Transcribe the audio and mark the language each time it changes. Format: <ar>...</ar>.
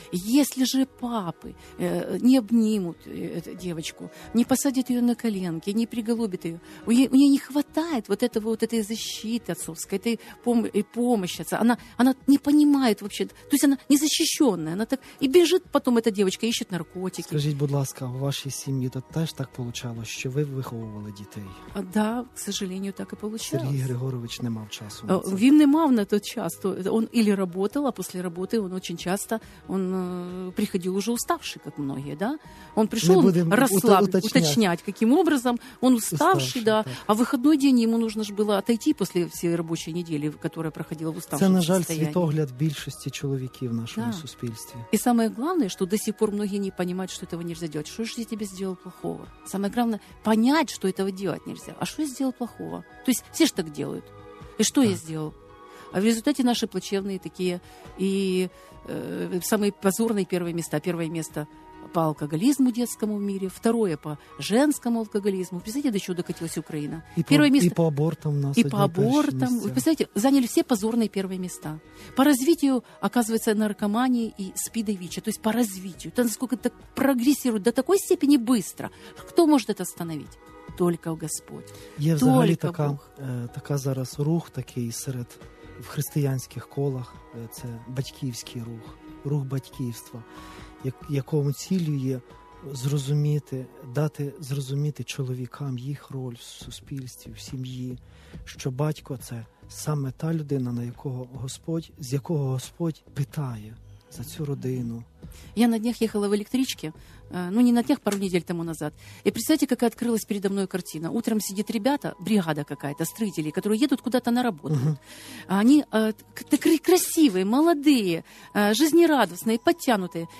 <ru>Если же папи не обнимут девочку, не посадят ее на коленки, не приголубят ее,</ru> <uk>у неї</uk> <ru>не хватает вот этого вот этой защиты отцовской, этой помощи. Она не понимает вообще, то есть она незащищенная, она так и бежит потом эта девочка, ищет наркотики.</ru> <uk>Скажіть, будь ласка, у вашій сім'ї, то теж так вийшло, що ви виховували дітей.</uk> <ru>А, да, к сожалению,</ru> <uk>так і вийшло. Сергій Григорович не мав часу. Він не мав на той час. Він або працював, а після роботи він дуже часто приходив уже уставший, як багато, да? Він прийшов уточнять, яким образом він уставший, да. Так. А вихідний день йому потрібно ж було відійти після всієї робочої неділі, яка проходила в уставшому стані. Це, на жаль, світогляд більшості чоловіків в нашому суспільстві. І найголовніше, що до сих пор багато не розуміють, що цього не можна робити.</uk> <ru>Що ж я тебе сделал плохого? Самое главное, понять, что этого делать нельзя. А что я сделал плохого? То есть все же так делают. И что я сделал? А в результате наши плачевные такие и самые позорные первые места. Первое место по алкоголизму детскому в мире, второе по женскому алкоголизму. Представляете, до чего докатилась Украина? И первое место, и по абортам у нас. И по абортам. Вы представляете, заняли все позорные первые места. По развитию, оказывается, наркомании и СПИДа и ВИЧа. То есть по развитию. Это насколько это прогрессирует до такой степени быстро. Кто может это остановить? Только Господь.</ru> <uk>Є взагалі така, така зараз рух такий серед в християнських колах. Це батьківський рух. рух батьківства, якому цілю є зрозуміти, дати зрозуміти чоловікам їх роль в суспільстві, в сім'ї, що батько – це саме та людина, на якого Господь, з якого Господь питає за цю родину.</uk> <ru>Я на днях ехала в электричке, ну не на днях, пару недель тому назад. И представьте, какая открылась передо мной картина. Утром сидит ребята, бригада какая-то, строители, которые едут куда-то на работу. Они такие красивые, молодые, жизнерадостные, подтянутые.</ru>